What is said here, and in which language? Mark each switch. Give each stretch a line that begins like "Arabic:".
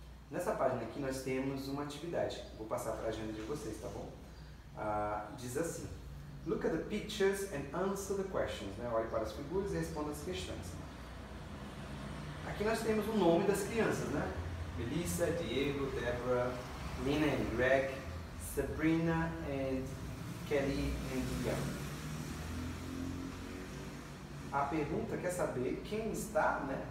Portuguese: Nessa página aqui nós temos uma atividade. Vou passar para a agenda de vocês, tá bom? Diz assim:
English: Look at the pictures and answer the questions.
Portuguese: Né? Olhe para as figuras e responda as questões. Aqui nós temos o nome das crianças, né? Melissa, Diego, Deborah, Lina and Greg, Sabrina and Kelly and Ian. A pergunta quer saber quem está, né?